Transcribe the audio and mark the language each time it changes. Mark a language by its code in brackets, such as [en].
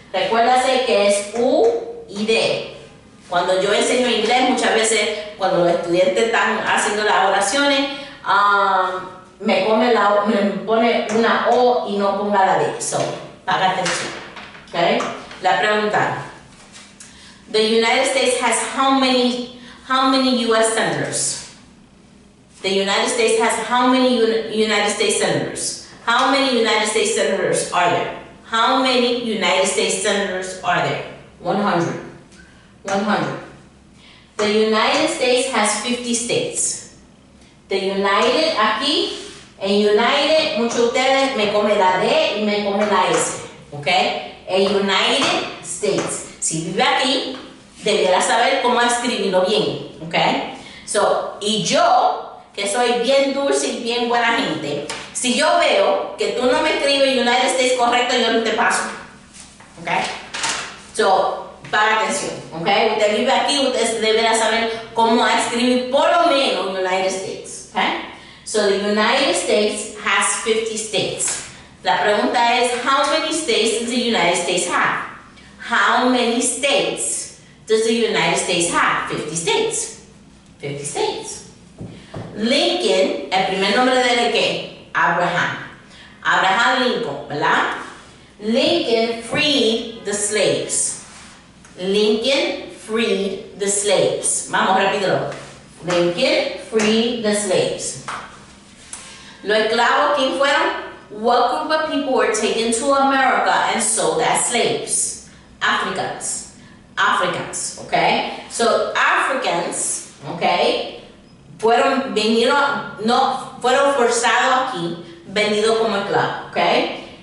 [es] Recuérdase que es U y D. Cuando yo enseño inglés, muchas veces, cuando los estudiantes están haciendo las oraciones, me pone una O y no ponga la D. So, paga atención. Okay? La pregunta. [en] The United States has how many U.S. senators? The United States has how many United States senators? How many United States senators are there? How many United States senators are there? 100. 100. The United States has 50 states. [es] The United, aquí, en United, muchos de ustedes me comen la D y me comen la S, ¿ok? En United States. Si vive aquí, debería saber cómo escribirlo bien, ¿ok? So, y yo, que soy bien dulce y bien buena gente, si yo veo que tú no me escribes United States correcto, yo no te paso, ¿ok? So, para atención, ¿ok? Usted vive aquí, usted debería saber cómo escribir por lo menos United States, ¿ok? [en] So the United States has 50 states. [es] La pregunta es, [en] how many states does the United States have? How many states does the United States have? 50 states. 50 states. [es] Lincoln, el primer nombre de él es qué? Abraham. [en] Abraham Lincoln, ¿verdad? Lincoln freed the slaves. Lincoln freed the slaves. [es] Vamos, rápido. [en] Lincoln freed the slaves. [es] Los esclavos, ¿quién fueron? [en] What group of people were taken to America and sold as slaves? Africans. Africans, okay? [es] So Africans, okay, fueron, vinieron, no, fueron forzados aquí, venidos como esclavos, okay?